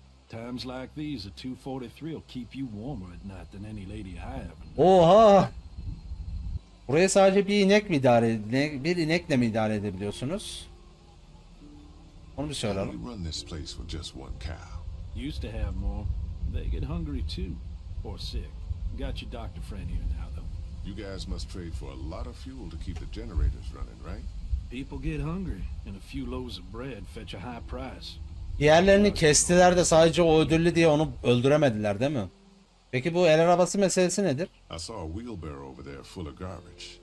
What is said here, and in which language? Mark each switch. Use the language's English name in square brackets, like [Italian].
[English] Times like these, a 243 will keep you warmer at night than any lady I ever knew. Oha! [Turkish] Buraya sadece bir inek mi idare bir inekle mi idare edebiliyorsunuz? Onu bir söyleyelim. [English] How do we run this place with just one cow? Used to have more. They get hungry too. Or sick. Got your doctor friend here now though. You guys must trade for a lot of fuel to keep the generators running, right? People get hungry and a few loaves of bread fetch a high price. [Turkish] Yerlerini kestiler de sadece o ödüllü diye onu öldüremediler değil mi? Peki bu el arabası meselesi nedir? [English] I saw a wheelbarrow over there full of garbage.